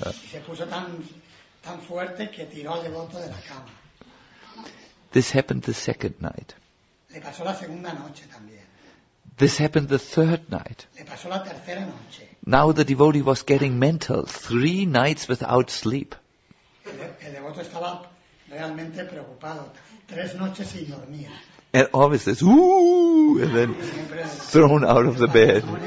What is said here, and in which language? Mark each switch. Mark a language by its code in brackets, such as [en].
[es] Se puso tan fuerte que tiró al devoto de la cama. [en] This happened the second night. [es] Le pasó la segunda noche también. [en] This happened the third night. [es] Le pasó la tercera noche. [en] Now the devotee was getting mental. 3 nights without sleep. [es] El devoto estaba realmente preocupado. 3 noches sin dormir. [en] And always this, ooh, and then thrown out of the bed.